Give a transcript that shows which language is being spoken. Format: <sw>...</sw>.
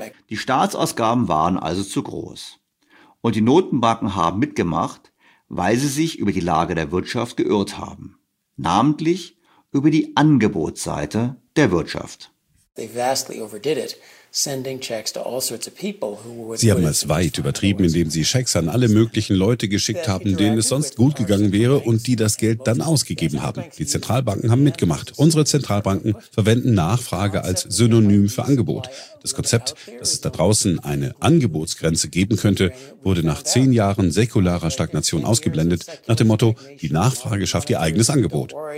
<de>Die Staatsausgaben waren also zu groß. Und die Notenbanken haben mitgemacht, weil sie sich über die Lage der Wirtschaft geirrt haben. Namentlich über die Angebotsseite der Wirtschaft.</de> <en>They vastly overdid it, sending checks to all sorts of people who would.</en> <de>Sie haben es weit übertrieben, indem sie Schecks an alle möglichen Leute geschickt haben, denen es sonst gut gegangen wäre und die das Geld dann ausgegeben haben. Die Zentralbanken haben mitgemacht. Unsere Zentralbanken verwenden Nachfrage als Synonym für Angebot. Das Konzept, dass es da draußen eine Angebotsgrenze geben könnte, wurde nach 10 Jahren säkularer Stagnation ausgeblendet, nach dem Motto, die Nachfrage schafft ihr eigenes Angebot.</de>